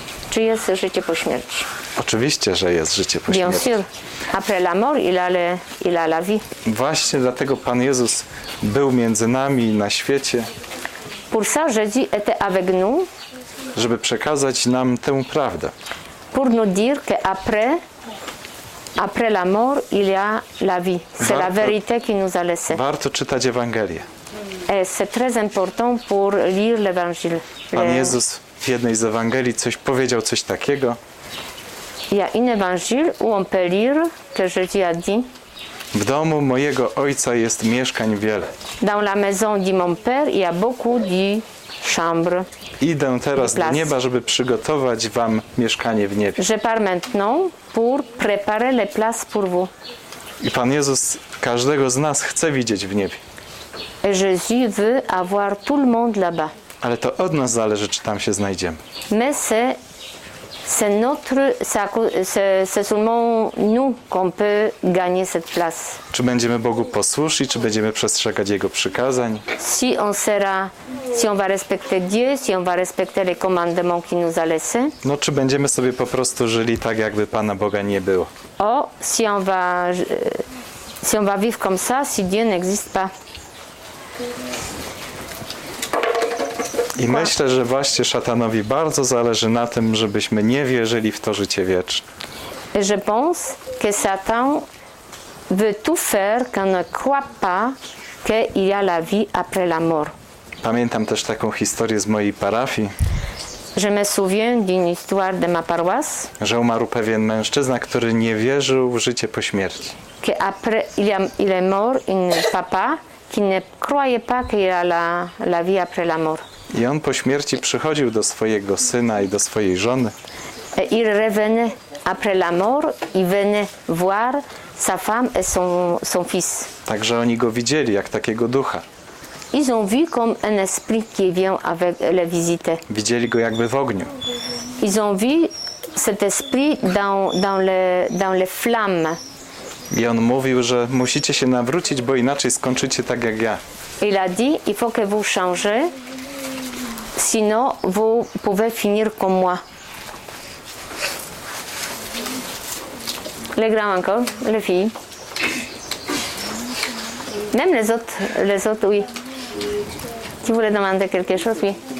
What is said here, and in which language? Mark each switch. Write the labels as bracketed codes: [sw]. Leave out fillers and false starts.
[pl] Czy jest życie po śmierci? Oczywiście, że jest życie po śmierci. [fr] Bien sûr. Après la mort, il a la vie. [pl] Właśnie dlatego Pan Jezus był między nami na świecie. [fr] Pour ça, Jésus était avec nous. [pl] Żeby przekazać nam tę prawdę. [fr] Pour nous dire que après la mort, il y a la vie. C'est la vérité qui nous a laissé. [pl] Warto czytać Ewangelię. [fr] C'est très important pour lire l'Évangile. [pl] Pan Jezus w jednej z Ewangelii coś powiedział, coś takiego. [fr] Ja in Evangile où on peut lire que Jésus a dit. [pl] W domu mojego ojca jest mieszkań wiele. [fr] Dans la maison de mon père il y a beaucoup de chambres. [pl] Idę teraz do nieba, żeby przygotować wam mieszkanie w niebie. [fr] Je pars maintenant pour préparer les places pour vous. [pl] I Pan Jezus każdego z nas chce widzieć w niebie. [fr] Et Jésus veut avoir tout le monde là-bas. [pl] Ale to od nas zależy, czy tam się znajdziemy. [fr] Mais c'est notre, c'est seulement nous qu'on peut gagner cette place. [pl] Czy będziemy Bogu posłuszni, czy będziemy przestrzegać Jego przykazań? [fr] Si on sera, si on va respecter Dieu, si on va respecter les commandements qui nous a laissés. [pl] No, czy będziemy sobie po prostu żyli tak, jakby Pana Boga nie było? [fr] Oh, si on va vivre comme ça, si Dieu n'existe pas. [pl] I myślę, że właśnie szatanowi bardzo zależy na tym, żebyśmy nie wierzyli w to życie wieczne. [fr] Je pense que Satan veut tout faire qu'on ne croit pas qu'il y a la vie après la mort. [pl] Pamiętam też taką historię z mojej parafii. [fr] Je me souviens d'une histoire de ma paroisse. [pl] Że umarł pewien mężczyzna, który nie wierzył w życie po śmierci. [fr] Que après il est mort un papa qui ne croyait pas qu'il y a la vie après la mort. [pl] I on po śmierci przychodził do swojego syna i do swojej żony. [fr] Il revenait après la mort, il venait voir sa femme et son fils. [pl] Także oni go widzieli jak takiego ducha. [fr] Ils ont vu comme un esprit qui vient avec les visites. [pl] Widzieli go jakby w ogniu. [fr] Ils ont vu cet esprit dans les flammes. [pl] I on mówił, że musicie się nawrócić, bo inaczej skończycie tak jak ja. [fr] Il a dit, il faut que vous changez, sinon vous pouvez finir comme moi. Les grands encore, les filles. Même les autres, oui. Tu voulais demander quelque chose, oui.